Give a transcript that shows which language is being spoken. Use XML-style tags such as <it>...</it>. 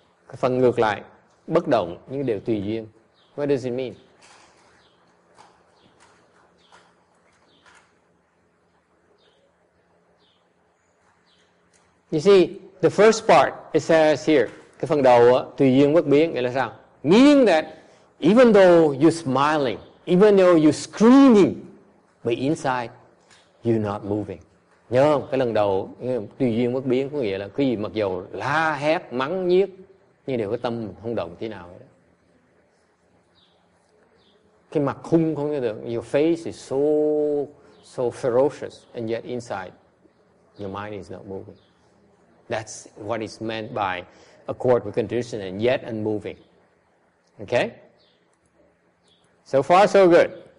<vi>Cái phần ngược lại, bất động, nhưng đều tùy duyên.</vi> <en>What does it mean? You see, the first part, it says here,</en> <vi>cái phần đầu, tùy duyên bất biến, nghĩa là sao?</vi> <en>Meaning that, even though you're smiling, even though you're screaming, but inside, you're not moving.</en> <vi>Nhớ không? Cái lần đầu tùy duyên bất biến có nghĩa là cái gì mặc dầu la hét mắng nhiếc nhưng đều cái tâm không động thế nào đó. Cái mặt khung không như được.</vi> <en>Your face is so so ferocious and yet inside your mind is not moving. That's what is meant by accord with condition and yet unmoving. Okay? So far so good.</en>